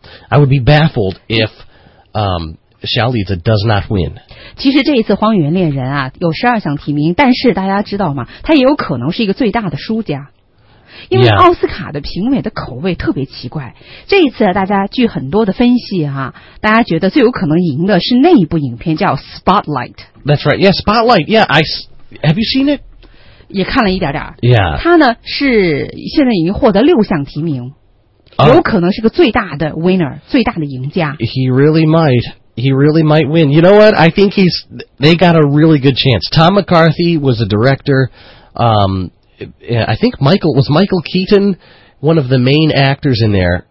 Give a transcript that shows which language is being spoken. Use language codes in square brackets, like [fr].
[en] I would be baffled if, 小李子 does not win. [zh] 其实这一次《荒原猎人》啊，有十二项提名，但是大家知道吗？他也有可能是一个最大的输家。因为奥斯卡的评委的口味特别奇怪、 [en] yeah. [zh] 这一次大家据很多的分析哈、啊，大家觉得最有可能赢的是那一部影片叫 Spotlight。 [en] That's right, yeah, Spotlight, yeah, have you seen it? [zh] 也看了一点点。 [en] Yeah. [zh] 他呢是现在已经获得六项提名、有可能是个最大的 winner, 最大的赢家。 [en] He really might win. You know what, I think they got a really good chance. Tom McCarthy was a director. I think Michael Keaton one of the main actors in there.